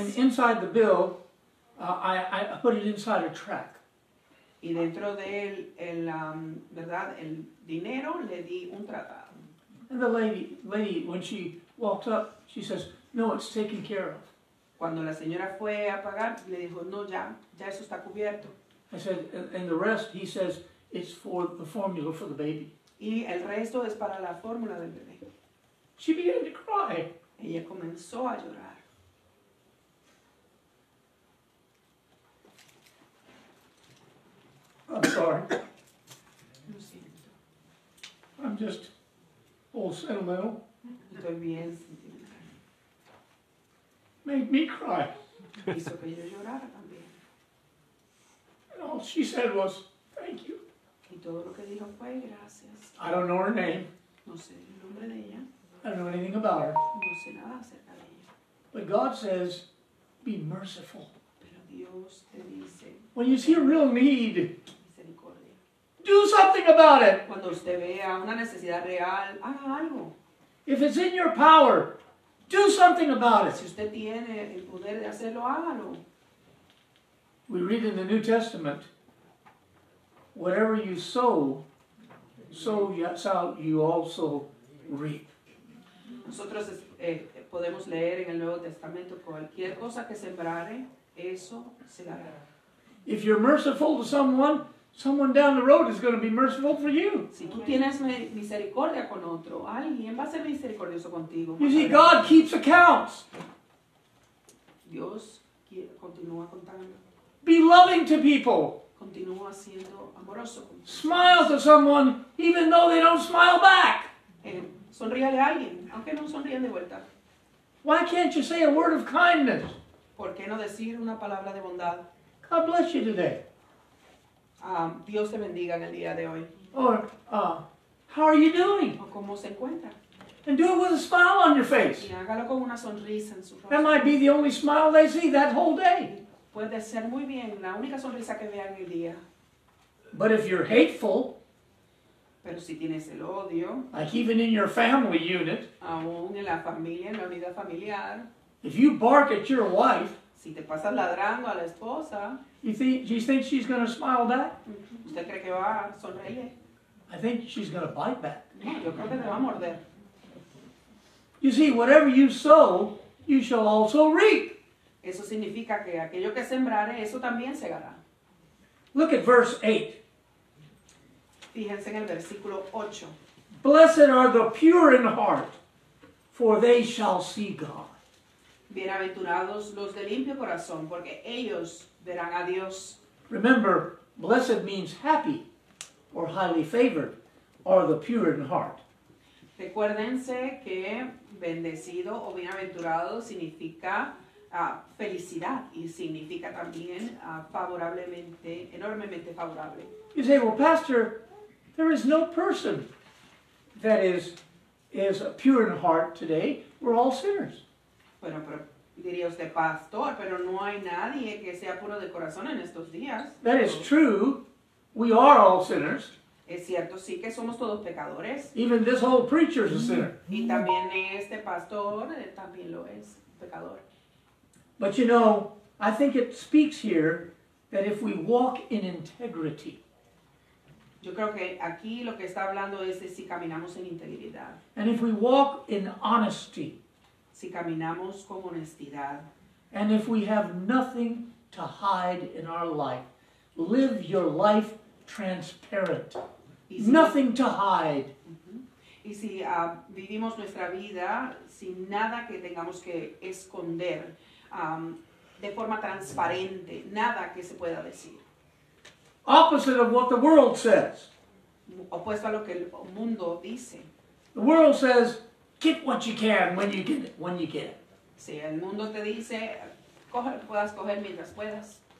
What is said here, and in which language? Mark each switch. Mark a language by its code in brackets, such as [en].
[en] And inside the bill, I put it inside a track. [es] Y dentro de él, el, verdad, el dinero, le di un tratado. [en] And the lady, when she walked up, she says, no, it's taken care of. [es] Cuando la señora fue a pagar, le dijo, no, ya eso está cubierto. [en] I said, and the rest, he says, it's for the formula for the baby. [es] Y el resto es para la fórmula del bebé. [en] She began to cry. [es] Ella comenzó a llorar. [en] I'm sorry. I'm just all sentimental. [es] Estoy bien. [en] Made me cry. [es] Hizo que yo llorara también. [en] And all she said was, thank you. [es] Y todo lo que dijo fue, gracias. [en] I don't know her name. [es] No sé el nombre de ella. [en] I don't know anything about her. [es] No sé nada acerca de ella. [en] But God says, be merciful. [es] Pero Dios te dice, [en] when you see a real need, do something about it. [es] Cuando usted vea una necesidad real, haga algo. [en] If it's in your power, do something about it. [es] Si usted tiene el poder de hacerlo, hágalo. [en] We read in the New Testament, whatever you sow, you also reap. [es] Nosotros podemos leer en el Nuevo Testamento, cualquier cosa que sembrare, eso se dará. [en] If you're merciful to someone, someone down the road is going to be merciful for you. [es] Si tú tienes misericordia con otro, alguien va a ser misericordioso contigo. [en] You see, God keeps accounts. [es] Dios continúa contando. [en] Be loving to people. [es] Continúa siendo amoroso. [en] Smile to someone, even though they don't smile back. [es] Sonríale a alguien, aunque no sonríen de vuelta. [en] Why can't you say a word of kindness? [es] ¿Por qué no decir una palabra de bondad? [en] God bless you today. [es] Dios te bendiga en el día de hoy. [en] Or, how are you doing? [es] O cómo se encuentra. [en] And do it with a smile on your face. [es] Y hágalo con una sonrisa en su rostro. [en] That might be the only smile they see that whole day. [es] Puede ser muy bien la única sonrisa que vean el día. [en] But if you're hateful, [es] pero si tienes el odio, [en] like even in your family unit, [es] aún en la familia, en la unidad familiar, [en] if you bark at your wife, [es] si te pasas ladrando a la esposa, [en] you think she's going to smile back? [es] ¿Usted cree que va a sonreír? [en] I think she's going to bite back. [es] Yo creo que te va a morder. [en] You see, whatever you sow, you shall also reap. [es] Eso significa que aquello que sembrare, eso también segará. [en] Look at verse 8. [es] Fíjense en el versículo 8. [en] Blessed are the pure in heart, for they shall see God. [es] Bienaventurados los de limpio corazón, porque ellos verán a Dios. [en] Remember, blessed means happy or highly favored or the pure in heart. [es] Recuérdense que bendecido o bienaventurado significa felicidad y significa también favorablemente, enormemente favorable. [en] You say, well, pastor, there is no person that is pure in heart today. We're all sinners. [es] Bueno, pero diría usted, pastor, pero no hay nadie que sea puro de corazón en estos días. [en] That is true. We are all sinners. [es] Es cierto, sí que somos todos pecadores. [en] Even this whole preacher is a sinner. [es] Y también este pastor también lo es, pecador. [en] But you know, I think it speaks here that if we walk in integrity. [es] Yo creo que aquí lo que está hablando es de si caminamos en integridad. [en] And if we walk in honesty. [es] Si caminamos con honestidad. [en] And if we have nothing to hide in our life, live your life transparent. [es] Y si, [en] nothing to hide. [es] Y si vivimos nuestra vida sin nada que tengamos que esconder, de forma transparente, nada que se pueda decir. [en] Opposite of what the world says. [es] Opuesto a lo que el mundo dice. [en] The world says, get what you can when you get it, when you get it. [es] Sí, el mundo te dice, coge lo que puedas, coger mientras puedas.